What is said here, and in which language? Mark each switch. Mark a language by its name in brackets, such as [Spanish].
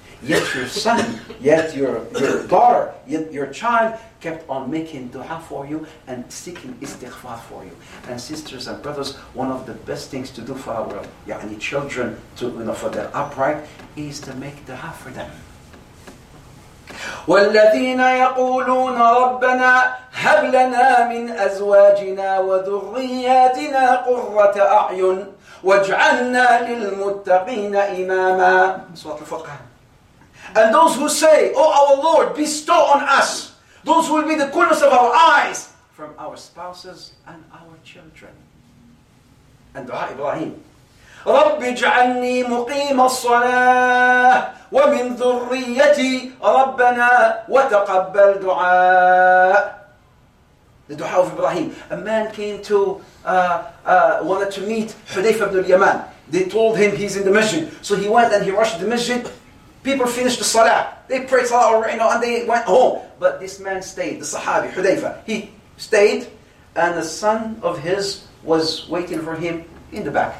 [English] Yet your son, yet your daughter, yet your child kept on making dua for you and seeking istighfar for you. And sisters and brothers, one of the best things to do for our children, to for their upright, is to make dua for them. [Arabic] وَالَّذِينَ يَقُولُونَ رَبَّنَا هَبْ لَنَا مِنْ أَزْوَاجِنَا وَذُرِّيَّاتِنَا قُرَّةَ أَعْيُنٍ وَاجْعَلْنَا لِلْمُتَّقِينَ إِمَامًا Surah Al-Furqan. [English] And those who say, Oh our Lord, bestow on us. Those will be the corners of our eyes. From our spouses and our children. And dua Ibrahim. [Arabic] رَبِّ جَعَلْنِي مُقِيمَ الصَّلَاةِ وَمِن ذُرِّيَّتِي رَبَّنَا وَتَقَبَّلْ دُعَاءِ [English] The dua of Ibrahim. A man came to, wanted to meet Hudayfa ibn al-Yaman. They told him he's in the masjid. So he went and he rushed the masjid. People finished the salah. They prayed salah already, and they went home. But this man stayed, the Sahabi, Hudayfa. He stayed, and a son of his was waiting for him in the back.